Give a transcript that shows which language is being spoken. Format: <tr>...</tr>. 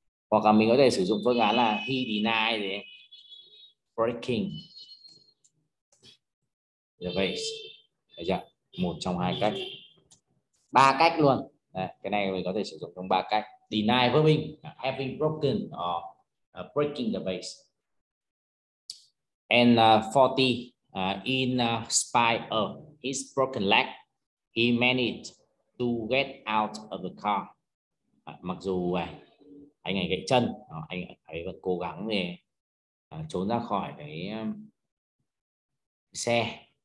<vi>Hoặc là mình có thể sử dụng phương án là</vi> <en>he denied</en> <vi>thì</vi> <en>breaking the vase.</en> <vi>Đấy chưa? Một trong hai cách. Ba cách luôn. Đấy, cái này mình có thể sử dụng trong ba cách.</vi> <en>Deny verbing, having broken or breaking the vase. And 40, in spite of his broken leg, he managed to get out of the car.</en> <vi>Mặc dù anh ấy gãy chân, anh ấy vẫn cố gắng để trốn ra khỏi cái xe.</vi>